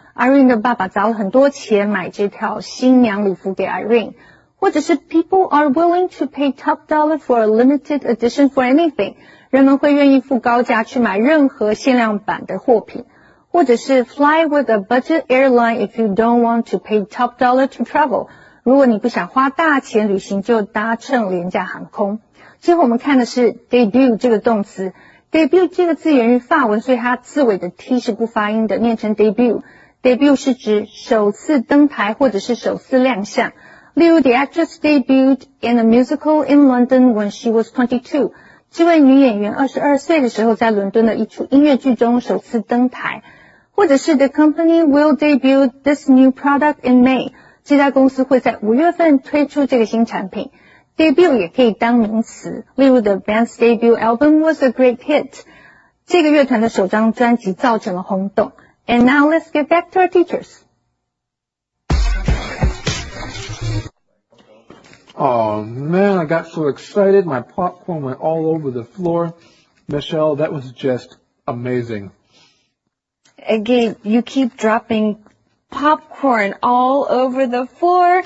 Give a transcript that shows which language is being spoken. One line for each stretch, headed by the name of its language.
Chinese: Irene 的爸爸砸了很多钱买这条新娘礼服给 Irene。或者是
English: people are willing to pay top dollar for a limited edition for anything.
Chinese: 人们会愿意付高价去买任何限量版的货品。或者是
English: fly with a budget airline if you don't want to pay top dollar to travel.
Chinese: 如果你不想花大钱旅行，就搭乘廉价航空。最后我们看的是 debut 这个动词。debut 这个字源于法文，所以它字尾的 t 是不发音的，念成 debut。debut 是指首次登台或者是首次亮相。
English: Liu, the actress, debuted in a musical in London when she was 22.
Chinese: 这位女演员22岁的时候在伦敦的一出音乐剧中首次登台。或者是
English: The company will debut this new product in May.
Chinese: 这家公司会在5月份推出这个新产品。
English: Debut
Chinese: 也可以当名词，例如
English: The band's debut album was a great hit.
Chinese: 这个乐团的首张专辑造成了轰动。
English: And now let's get back to our teachers. Oh man, I got so excited. My popcorn went all over the floor. Michelle, that was just amazing. Gabe, you keep dropping popcorn all over the floor.